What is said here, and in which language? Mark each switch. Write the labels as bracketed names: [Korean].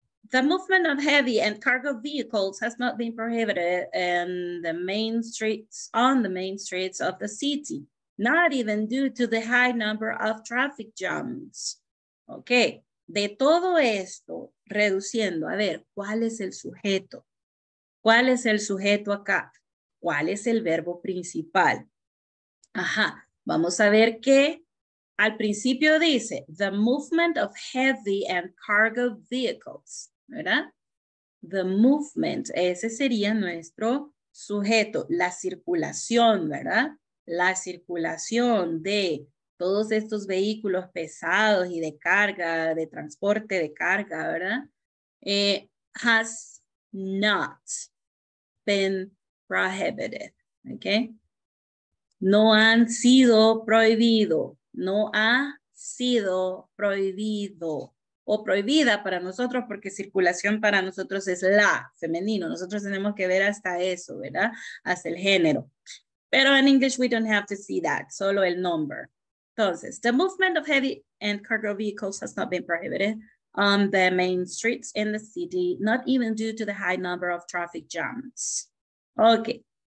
[English] The movement of heavy and cargo vehicles has not been prohibited in the main streets, on the main streets of the city, not even due to the high number of traffic jams. [Spanish] Ok, de todo esto, reduciendo, a ver, ¿cuál es el sujeto? ¿Cuál es el sujeto acá? ¿Cuál es el verbo principal? Ajá, vamos a ver qué. Al principio dice, the movement of heavy and cargo vehicles, ¿verdad? [English] The movement, [Spanish] ese sería nuestro sujeto, la circulación, ¿verdad? La circulación de todos estos vehículos pesados y de carga, de transporte de carga, ¿verdad? [English] Has not been prohibited, ¿ok? [Spanish] No han sido prohibido. No ha sido prohibido o prohibida para nosotros porque circulación para nosotros es la femenino. Nosotros tenemos que ver hasta eso, ¿verdad? Hasta el género. Pero en [English] English we don't have to see that, [Spanish] solo el [English] number. [Spanish] Entonces, [English] the movement of heavy and cargo vehicles has not been prohibited on the main streets in the city, not even due to the high number of traffic jams. Okay.